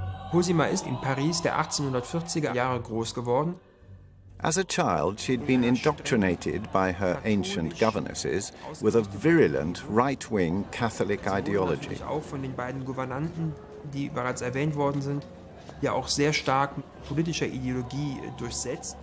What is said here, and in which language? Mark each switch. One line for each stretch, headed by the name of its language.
German: Cosima ist in Paris der 1840er Jahre groß geworden.
English: As a child, she had been indoctrinated by her ancient governesses with a virulent right-wing Catholic ideology.
German: Auch von den beiden Gouvernanten, die bereits erwähnt worden sind, ja auch sehr stark politischer Ideologie durchsetzt.